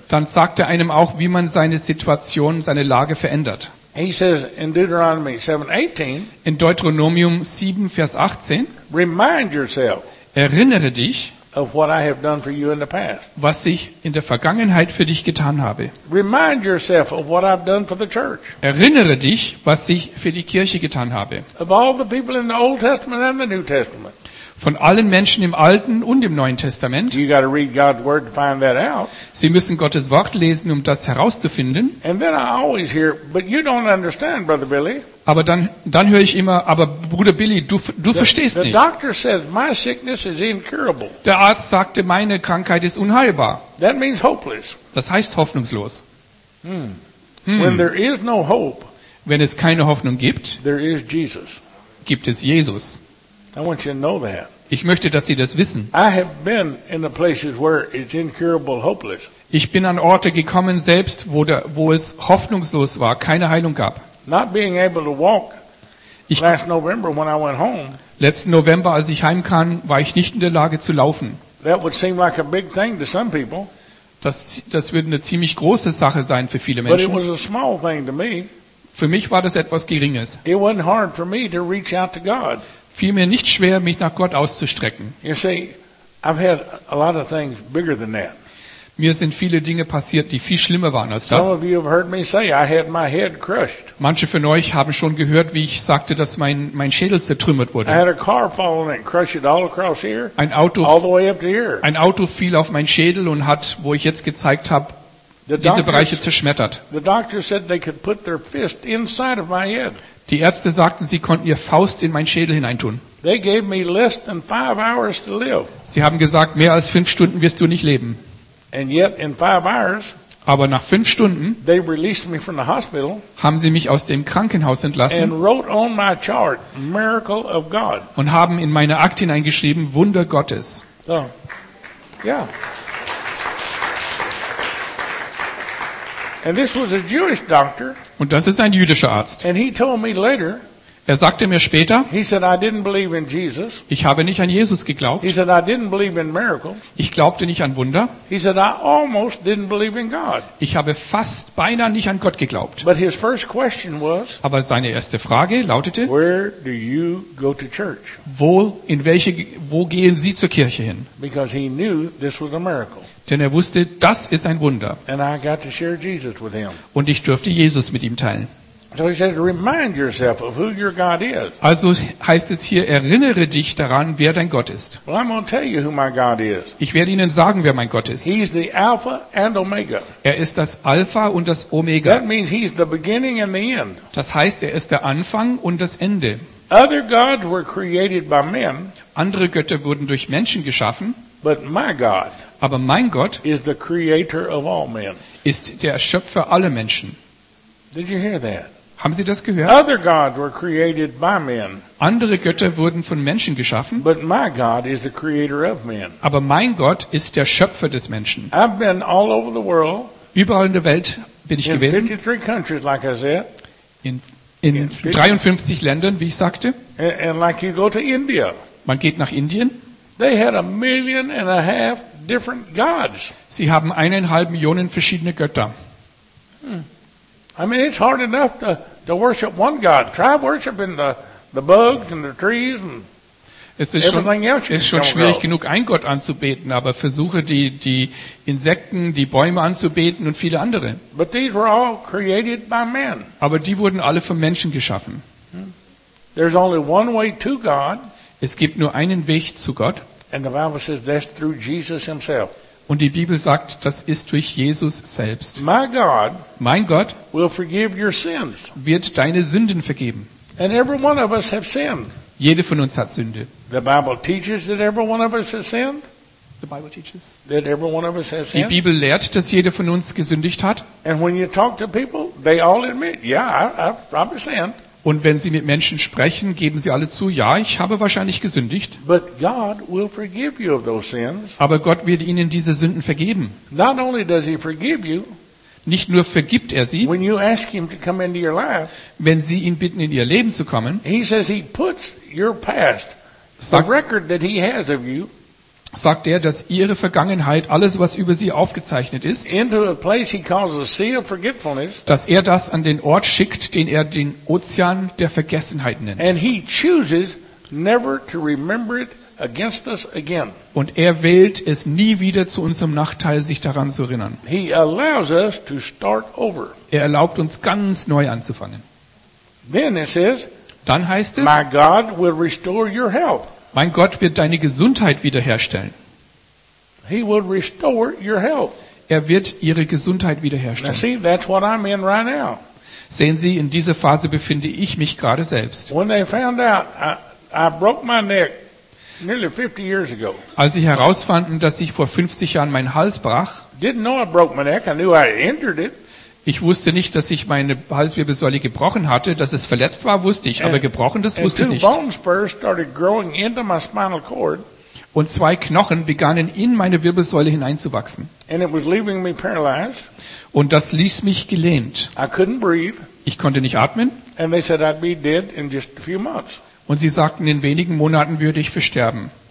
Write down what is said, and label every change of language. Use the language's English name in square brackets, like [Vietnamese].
[German] Dann sagt er einem auch, wie man seine Situation, seine Lage verändert. [English] He says in Deuteronomy 7:18, [German] in Deuteronomium 7, Vers 18, [English] remind yourself, [German] erinnere dich, [English] of what I have done for you in the past. [German] Was ich in der Vergangenheit für dich getan habe. [English] Remind yourself of what I've done for the church. [German] Erinnere dich, was ich für die Kirche getan habe. [English] Of all the people in the Old Testament and the New Testament. [German] Von allen Menschen im Alten und im Neuen Testament. [English] You got to read God's word to find that out. [German] Sie müssen Gottes Wort lesen, um das herauszufinden. [English] And then I always hear, but you don't understand, Brother Billy. [German] Aber dann höre ich immer, aber Bruder Billy, du verstehst nicht. [English] The doctor says my sickness is incurable. [German] Der Arzt sagte, meine Krankheit ist unheilbar. [English] That means hopeless. [German] Das heißt hoffnungslos. [English] When there is no hope, [German] wenn es keine Hoffnung gibt, [English] there is Jesus. [German] Gibt es Jesus. [English] I want you to know that. [German] Ich möchte, dass Sie das wissen. [English] I have been in the places where it's incurable, hopeless. [German] Ich bin an Orte gekommen selbst, wo es hoffnungslos war, keine Heilung gab. [English] Not being able to walk. [German] Ich, [English] last November when I went home. [German] Letzten November, als ich heimkam, war ich nicht in der Lage zu laufen. [English] That would seem like a big thing to some people. [German] Das würde eine ziemlich große Sache sein für viele Menschen. [English] But it was a small thing to me. [German] Für mich war das etwas Geringes. [English] It wasn't hard for me to reach out to God. [German] Fiel mir nicht schwer, mich nach Gott auszustrecken. [English] You see, I've had a lot of things bigger than that. [German] Mir sind viele Dinge passiert, die viel schlimmer waren als das. [English] Some of you have heard me say, I had my head crushed. [German] Manche von euch haben schon gehört, wie ich sagte, dass mein Schädel zertrümmert wurde. [English] I had a car fall and crush it all across here. [German] Ein Auto, [English] all the way up to here. [German] Ein Auto fiel auf meinen Schädel und hat, wo ich jetzt gezeigt habe, diese Bereiche zerschmettert. [English] The doctor said they could put their fist inside of my head. [German] Die Ärzte sagten, sie konnten ihr Faust in meinen Schädel hineintun. [English] They gave me less than 5 hours to live. [German] Sie haben gesagt, mehr als 5 Stunden wirst du nicht leben. [English] And yet in 5 hours, [German] Aber nach 5 Stunden [English] they released me from the hospital, [German] haben sie mich aus dem Krankenhaus entlassen [English] and wrote on my chart, miracle of God. [German] Und haben in meine Akte hineingeschrieben, Wunder Gottes. [English] So, yeah. And this was a Jewish doctor, [German] und das ist ein jüdischer Arzt. [English] And he told me later, [German] er sagte mir später, [English] he said, I didn't believe in Jesus. [German] Ich habe nicht an Jesus geglaubt. [English] He said, I didn't believe in miracles. [German] Ich glaubte nicht an Wunder. [English] He said, I almost didn't believe in God. [German] Ich habe fast beinahe nicht an Gott geglaubt. [English] But his first question was, [German] aber seine erste Frage lautete, [English] where do you go to church? [German] Wo gehen Sie zur Kirche hin? [English] Because he knew this was a miracle. [German] Denn er wusste, das ist ein Wunder. [English] And I got to share Jesus with him. [German] Und ich durfte Jesus mit ihm teilen. [English] So he said, remind yourself of who your God is. [German] Also heißt es hier, erinnere dich daran, wer dein Gott ist. [English] Well, I'm going to tell you who my God is. [German] Ich werde Ihnen sagen, wer mein Gott ist. [English] He's the Alpha and Omega. [German] Er ist das Alpha und das Omega. [English] That means he's the beginning and the end. [German] Das heißt, er ist der Anfang und das Ende. [English] Other gods were created by men. [German] Andere Götter wurden durch Menschen geschaffen. [English] But my God. [German] Aber mein Gott [English] is the creator of all men. [German] Ist der Schöpfer aller Menschen. [English] Did you hear that? [German] Haben Sie das gehört? [English] Other gods were created by men. [German] Andere Götter wurden von Menschen geschaffen. [English] But my God is the creator of men. [German] Aber mein Gott ist der Schöpfer des Menschen. [English] I've been all over the world. [German] Überall in der Welt bin ich gewesen. [English] In 53 countries, like I said. [German] In 53 Ländern, wie ich sagte. [English] And like you go to India. [German] Man geht nach Indien. [English] They had 1.5 million different gods. [German] Sie haben 1.5 Millionen verschiedene Götter. [English] I mean, it's hard enough to worship one God. Try worshiping the bugs and the trees and everything else. [German] Es ist schon schwierig genug, einen Gott anzubeten, aber versuche die Insekten, die Bäume anzubeten und viele andere. [English] But these were all created by men. [German] Aber die wurden alle von Menschen geschaffen. [English] There's only one way to God. [German] Es gibt nur einen Weg zu Gott. [English] And the Bible says that's through Jesus himself. [German] Und die Bibel sagt, das ist durch Jesus selbst. [English] My God, [German] mein Gott, [English] will forgive your sins. [German] Wird deine Sünden vergeben. [English] And every one of us have sinned. [German] Jede von uns hat Sünde. [English] The Bible teaches that every one of us has sinned. The Bible teaches that every one of us has sinned. [German] Die Bibel lehrt, dass jeder von uns gesündigt hat. [English] And when you talk to people, they all admit, yeah, I've probably sinned. [German] Und wenn Sie mit Menschen sprechen, geben Sie alle zu, ja, ich habe wahrscheinlich gesündigt. [English] But God will forgive you of those sins. [German] Aber Gott wird Ihnen diese Sünden vergeben. [English] Not only does he forgive you, [German] nicht nur vergibt er Sie, [English] when you ask him to come into your life, [German] wenn Sie ihn bitten, in Ihr Leben zu kommen, sagt er, dass Ihre Vergangenheit, alles, was über Sie aufgezeichnet ist, [English] into a place he calls the sea of forgetfulness, [German] dass er das an den Ort schickt, den er den Ozean der Vergessenheit nennt. [English] And he chooses never to remember it against us again. [German] Und er wählt es nie wieder zu unserem Nachteil, sich daran zu erinnern. [English] He allows us to start over. [German] Er erlaubt uns, ganz neu anzufangen. [English] Then it says, [German] dann heißt es, [English] my God will restore your health. [German] Mein Gott wird deine Gesundheit wiederherstellen. [English] He will restore your health. [German] Er wird Ihre Gesundheit wiederherstellen. [English] Now see, that's what I'm in right now. [German] Sehen Sie, in dieser Phase befinde ich mich gerade selbst. [English] When they found out I broke my neck nearly 50 years ago. [German] Als sie herausfanden, dass ich vor 50 Jahren meinen Hals brach, [English] didn't know I broke my neck, I knew I injured it. [German] Ich wusste nicht, dass ich meine Halswirbelsäule gebrochen hatte. Dass es verletzt war, wusste ich. Aber gebrochen, das wusste ich nicht. [English] Bone spurs started growing into my spinal cord. [German] Und 2 Knochen begannen in meine Wirbelsäule hineinzuwachsen. [English] And it was leaving me paralyzed. [German] Und das ließ mich gelähmt. [English] I couldn't breathe. [German] Ich konnte nicht atmen. [English] And they said I'd be dead in just a few months. [German] Und sie sagten, in wenigen Monaten würde ich versterben.